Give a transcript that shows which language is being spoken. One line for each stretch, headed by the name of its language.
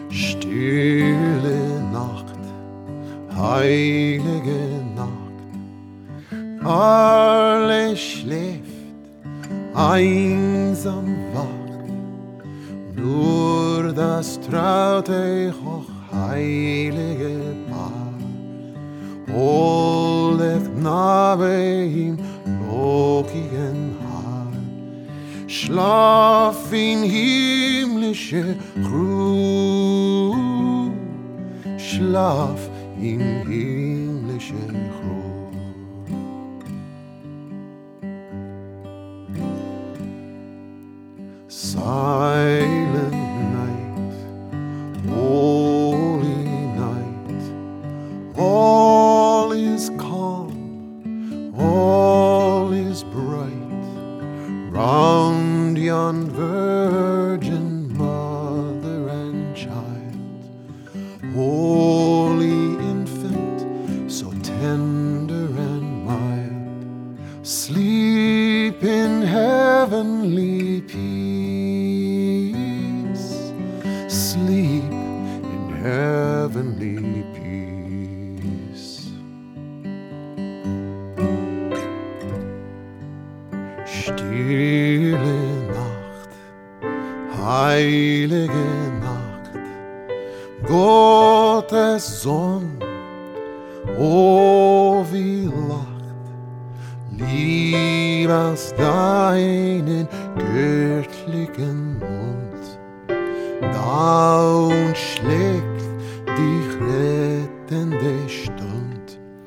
German: Stille Nacht, heilige Nacht, alle schläft, einsam wacht, nur das traute hoch heilige Paar holet Gnade im lockigen Haar. Schlaf in himmlische Ruhe, schlaf in himmlische Ruhe.
English: Silent night, holy night, all is calm, all is bright, round yon virgin mother and child, holy infant, so tender and mild, sleep in heavenly peace, sleep in heavenly peace.
German: Stille Nacht, heilige Nacht, Gottes Sohn, o wie lacht, lieb aus deinen göttlichen Mund, da und schlägt dich rettende Stund,